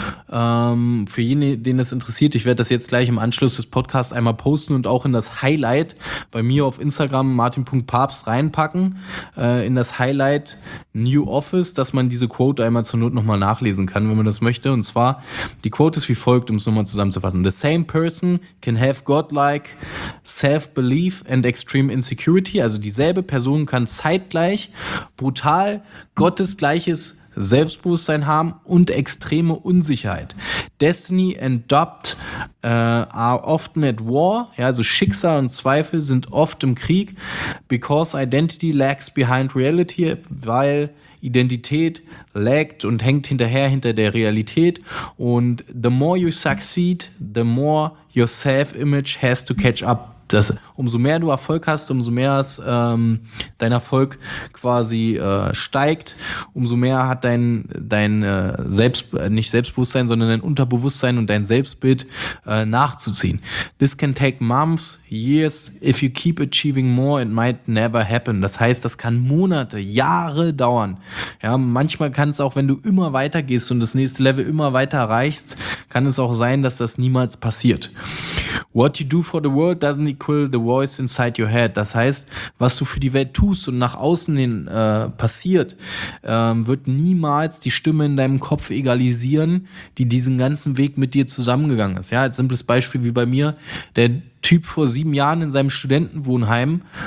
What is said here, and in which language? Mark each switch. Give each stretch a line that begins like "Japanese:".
German: Für jene, denen es interessiert, ich werde das jetzt gleich im Anschluss des Podcasts einmal posten und auch in das Highlight bei mir auf Instagram martin.papst reinpacken, in das Highlight New Office, dass man diese Quote einmal zur Not nochmal nachlesen kann, wenn man das möchte. Und zwar, die Quote ist wie folgt, um es nochmal zusammenzufassen.
English: The same person can have godlike self-belief and extreme insecurity.
German: Also dieselbe Person kann zeitgleich brutal gottesgleiches Selbstbewusstsein haben und extreme Unsicherheit.
English: Destiny and doubt are often at war.
German: Ja, also Schicksal und Zweifel sind oft im Krieg.
English: Because identity lags behind reality,
German: weil Identität lagt und hängt hinter der Realität.
English: Und the more you succeed, the more your self-image has to catch up.
German: Das, umso mehr du Erfolg hast, umso mehr dein Erfolg quasi steigt, umso mehr hat nicht Selbstbewusstsein, sondern dein Unterbewusstsein und dein Selbstbild nachzuziehen.
English: This can take months, years, if you keep achieving more, it might never happen.
German: Das heißt, das kann Monate, Jahre dauern. Ja, manchmal kann es auch, wenn du immer weiter gehst und das nächste Level immer weiter erreichst, kann es auch sein, dass das niemals passiert.
English: What you do for the world doesn't equal the voice inside your head.
German: Das heißt, was du für die Welt tust und nach außen hin passiert, wird niemals die Stimme in deinem Kopf egalisieren, die diesen ganzen Weg mit dir zusammengegangen ist. Ja, als simples Beispiel wie bei mir, der Typ vor 7 Jahren in seinem Studentenwohnheim,